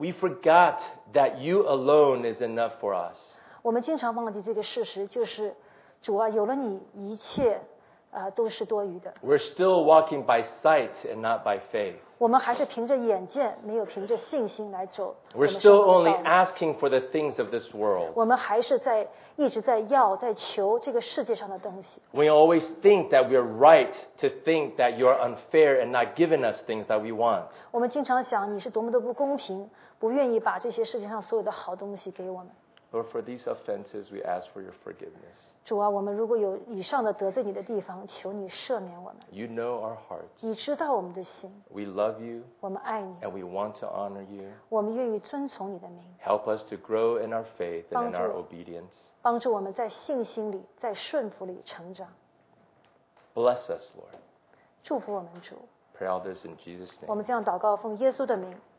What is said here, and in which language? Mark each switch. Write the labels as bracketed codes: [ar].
[en] We forgot that you alone is enough for us. [zh] 我们经常忘记这个事实，就是主啊，有了你，一切都是多余的。 [en] We're still walking by sight and not by faith. [zh] 我们还是凭着眼见，没有凭着信心来走。 [en] We're still only asking for the things of this world. [zh] 我们还是在一直在要，在求这个世界上的东西。 [en] We always think that we're right to think that you're unfair and not giving us things that we want. [zh] 我们经常想你是多么的不公平，不愿意把这些世界上所有的好东西给我们。 [en] Lord, for these offenses, we ask for your forgiveness. [zh] 主啊，我们如果有以上的得罪你的地方，求你赦免我们。 [en] You know our hearts. [zh] 你知道我们的心。 [en] We love you. [zh] 我们爱你。 [en] And we want to honor you. [zh] 我们愿意遵从你的名。 [en] Help us to grow in our faith and in our obedience. [zh] 帮助我们在信心里，在顺服里成长。 [en] Bless us, Lord. [zh] 祝福我们主。 [en] Pray all this in Jesus' name. [zh] 我们这样祷告，奉耶稣的名。